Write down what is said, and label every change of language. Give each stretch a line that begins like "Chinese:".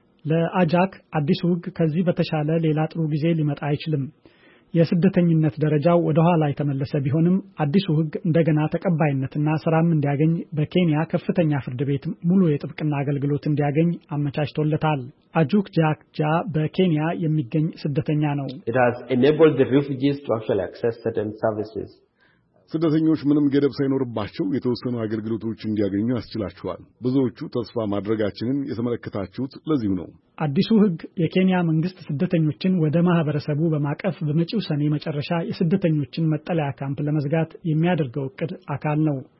Amharic: ለአጃክ አዲሱ ህግ ከዚህ በተሻለ ሌላ ጥሩ ጊዜ ሊመጣ አይችልም። የስደተኝነት ደረጃው ወደ ኋላ የተመለሰ ቢሆንም አዲሱ ህግ እንደገና ተቀባይነትና ሰላም እንዲያገኝ በኬንያ ከፍተኛ ፍርድ ቤት ሙሉ የጥብቅና አገልግሎት እንዲያገኝ አመቻችቶለታል። አጁክ ጃክጃ በኬንያ የሚገኝ ስደተኛ ነው።
English: It has enabled the refugees to actually access certain services.
Amharic: ስደተኞች ምንም ገደብ ሳይኖርባቸው የተወሰኑ አገልግሎቶች እንዲያገኙ አስችላቸዋል። ብዙዎቹ ተስፋ ማድረጋችንን የተመለከታችሁት ለዚህ ነው። አዲሱ ህግ የኬንያ መንግስት ስደተኞችን ወደ ማህበረሰቡ በማቀፍ በመጪው ሰኔ መጨረሻ የስደተኞችን መጠለያ ካምፕ ለመዝጋት የሚያደርገው እቅድ አካል ነው።